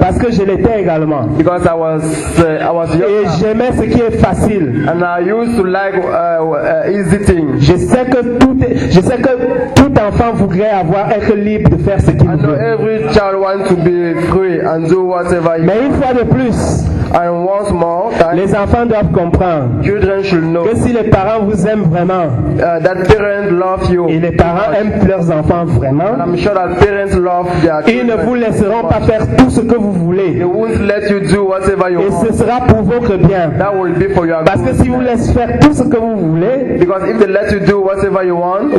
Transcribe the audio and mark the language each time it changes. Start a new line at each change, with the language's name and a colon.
French: Parce que je l'étais également.
English: Because I was young.
French: Et j'aimais ce qui est facile.
English: And I used to like easy things.
French: Je sais que tout enfant voudrait être libre de faire ce qu'il veut.
English: I know every child wants to be free and do whatever he.
French: Mais une fois de plus.
English: And once more,
French: les enfants doivent comprendre.
English: Children should know
French: que si les parents vous aiment vraiment,
English: that parents love you,
French: et les parents aiment leurs enfants vraiment,
English: and I'm sure that parents love their children,
French: ils ne vous laisseront pas faire tout ce que vous voulez.
English: They won't let you do whatever you
French: et
English: want.
French: Ce sera pour votre bien.
English: That will be for your good.
French: Parce que si vous laissez faire tout ce que vous voulez,
English: because if they let you do whatever you want,